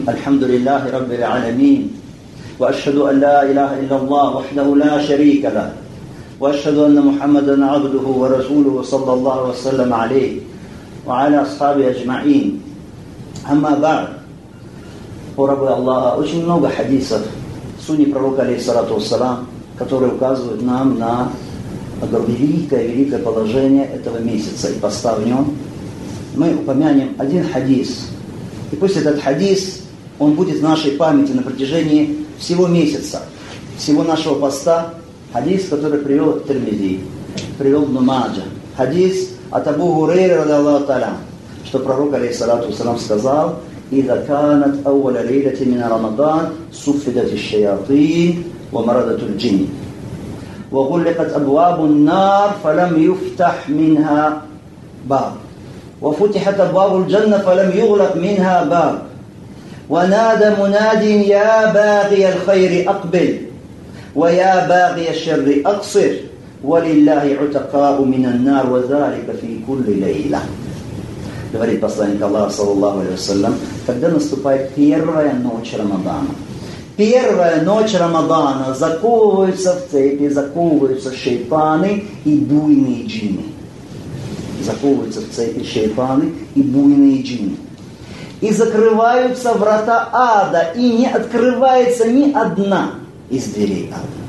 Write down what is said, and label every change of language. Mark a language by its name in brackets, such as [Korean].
[Arabic] الحمد لله رب العالمين، وأشهد أن لا إله إلا الله وحده لا شريك له، وأشهد أن محمدا عبده ورسوله صلى الله وسلم عليه وعلى أصحابه أجمعين. أما بعد، رب الله [Russian] очень много حديثов سنة пророк [Arabic] عليه الصلاة والسلام [Russian] которые указывают нам на великое положение этого месяца и поста в нем. Мы упомянем один хадис, и пусть этот хадис, он будет в нашей памяти на протяжении всего месяца, всего нашего поста. Хадис, который привел Тирмизи, привел Ибн Маджа. Хадис от Абу Хурейры ради Аллаху Таля, что пророк, алейхиссалату вассалам, сказал: [Arabic] «Иза канат ауаля лейлати мина Рамадан, суффидати шайатин ва марадату джинн». وغلقت أبواب النار فلم يفتح منها باب، وفتحت أبواب الجنة فلم يغلق منها باب، ونادى مناد: يا باغي الخير أقبل، ويا باغي الشر أقصر، ولله عتقاء من النار وذلك في كل ليلة. [Russian] говорит посланник Аллаха [Arabic] صلى الله عليه وسلم: [Russian] когда наступает первая ночь Рамадана, первая ночь Рамадана, заковываются в цепи, заковываются шайтаны и буйные джинны. Заковываются в цепи шайтаны и буйные джинны. И закрываются врата ада, и не открывается ни одна из дверей ада.